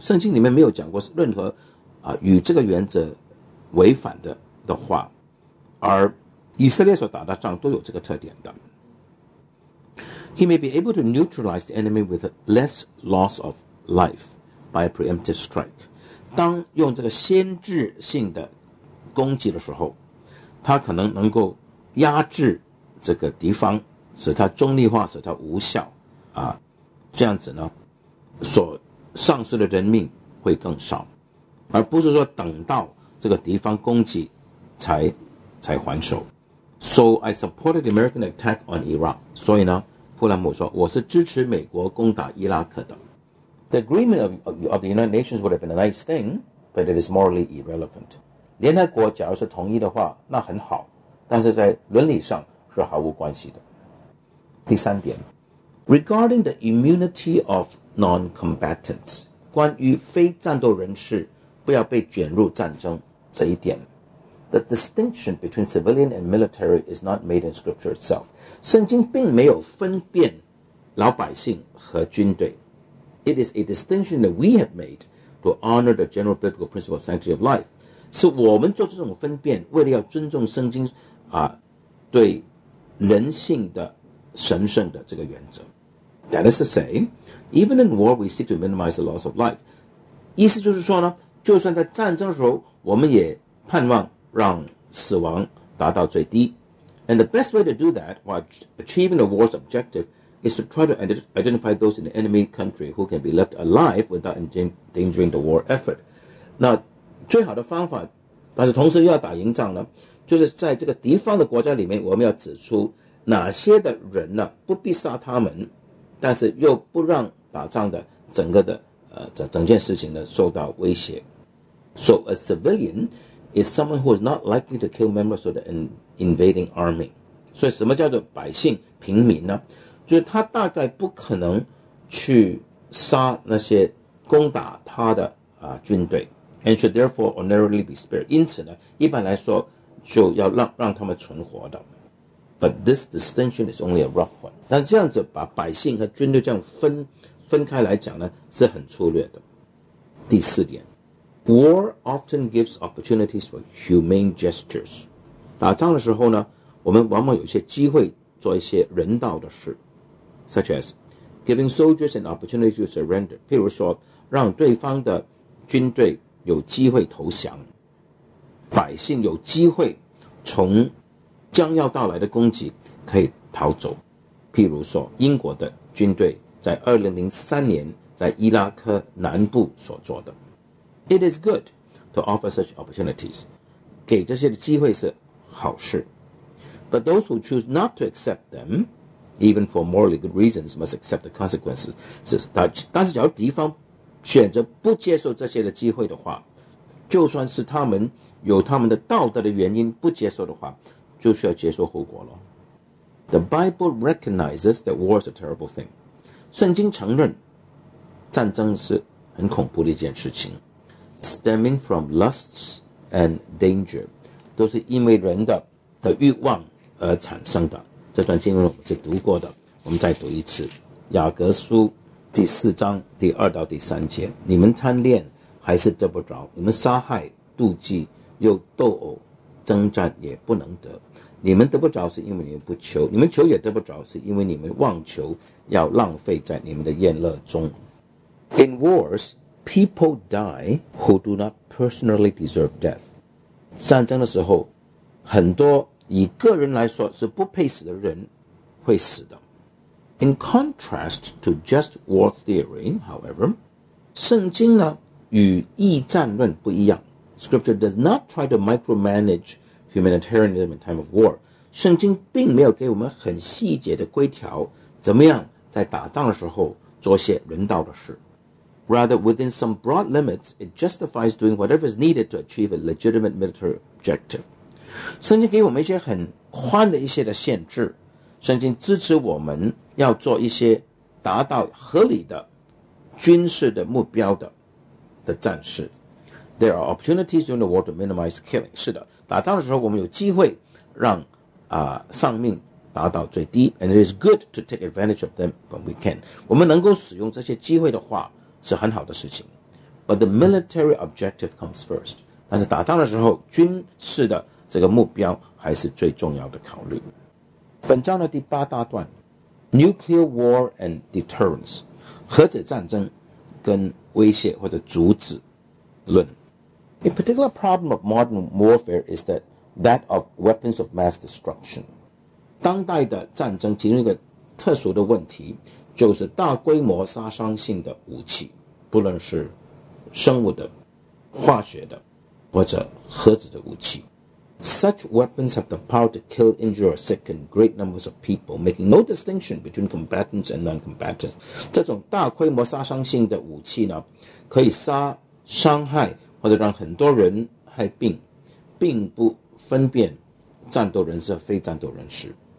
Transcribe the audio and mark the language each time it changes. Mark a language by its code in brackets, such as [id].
[zh] 圣经里面没有讲过任何、与这个原则违反 的话，而以色列所打的仗都有这个特点的。 [en] He may be able to neutralize the enemy with less loss of life by a preemptive strike. [zh] 当用这个先制性的攻击的时候，他可能能够压制这个敌方，使他中立化，使他无效、这样子呢所丧失的人命会更少，而不是说等到这个敌方攻击才还手。 [en] So I supported the American attack on Iraq. [zh] 所以呢，普兰姆说，我是支持美国攻打伊拉克的。 [en] The agreement of the United Nations would have been a nice thing, but it is morally irrelevant. [zh] 联合国假如是同意的话，那很好，但是在伦理上是毫无关系的。第三点 ， [en] Regarding the immunity of non-combatants, [zh] 关于非战斗人士不要被卷入战争这一点。 [en] The distinction between civilian and military is not made in scripture itself. [zh] 圣经并没有分辨老百姓和军队。 [en] It is a distinction that we have made to honor the general biblical principle of sanctity of life. [zh] 是我们做出这种分辨为了要尊重圣经、对人性的神圣的这个原则。 [en] That is to say, even in war, we seek to minimize the loss of life. [zh] 意思就是说呢，就算在战争的时候，我们也盼望让死亡达到最低。 [en] And the best way to do that, while achieving the war's objective, is to try to identify those in the enemy country who can be left alive without endangering the war effort. [zh] 那最好的方法，但是同时又要打赢仗呢，就是在这个敌方的国家里面，我们要指出哪些的人呢，不必杀他们。但是又不让打仗的整个的、整件事情呢受到威胁。 [en] So a civilian is someone who is not likely to kill members of the invading army. [zh] 所以什么叫做百姓平民呢？就是他大概不可能去杀那些攻打他的军队。 [en] And should therefore ordinarily be spared. [zh] 因此呢，一般来说就要让他们存活的。 [en] But this distinction is only a rough one. [zh] 但这样子把百姓和军队这样分开来讲呢，是很粗略的。第四点， [en] war often gives opportunities for humane gestures. [zh] 打仗的时候呢，我们往往有些机会做一些人道的事， [en] such as giving soldiers an opportunity to surrender. [zh] 譬如说，让对方的军队有机会投降，百姓有机会从将要到来的攻击可以逃走。譬如说，英国的军队在2003年在伊拉克南部所做的。 [en] It is good to offer such opportunities. [zh] 给这些的机会是好事。 [en] But those who choose not to accept them, even for morally good reasons, must accept the consequences. [zh] 但是假如敌方选择不接受这些的机会的话，就算是他们有他们的道德的原因不接受的话，就需要接受后果了。 [en] The Bible recognizes that war is a terrible thing. [zh] 圣经承认战争是很恐怖的一件事情， [en] stemming from lusts and danger， [zh] 都是因为人的欲望而产生的。这段经文我是读过的，我们再读一次。雅各书第四章第二到第三节，你们贪恋还是得不着，你们杀害妒忌又斗殴征战也不能得，你们得不着是因为你们不求，你们求也得不着是因为你们妄求，要浪费在你们的宴乐中。 [en] In wars, people die who do not personally deserve death. [zh] 战争的时候，很多以个人来说是不配死的人会死的。 [en] In contrast to just war theory, however, [zh] 圣经呢与义战论不一样。 [en] Scripture does not try to micromanage humanitarianism in time of war. [zh] 圣经并没有给我们很细节的规条，怎么样在打仗的时候做些人道的事。 [en] Rather, within some broad limits, it justifies doing whatever is needed to achieve a legitimate military objective. [zh] 圣经给我们一些很宽的一些的限制，圣经支持我们要做一些达到合理的军事的目标的战事。 [en] There are opportunities during the war to minimize killing. [zh] 是的，打仗的时候我们有机会让丧命达到最低。 [en] And it is good to take advantage of them when we can. [zh] 我们能够使用这些机会的话是很好的事情。 [en] But the military objective comes first. [zh] 但是打仗的时候军事的这个目标还是最重要的考虑。本章的第八大段， [en] Nuclear war and deterrence， [zh] 核子战争跟威胁或者阻止论。 [en] A particular problem of modern warfare is that of weapons of mass destruction. [zh] 当代的战争其中一个特殊的问题就是大规模杀伤性的武器，不论是生物的、化学的或者核子的武器。 [en] Such weapons have the power to kill, injure, or sicken great numbers of people, making no distinction between combatants and non-combatants. [zh] 这种大规模杀伤性的武器呢，可以杀、伤害或者让很多人害病，并不分辨战斗人士和非战斗人士。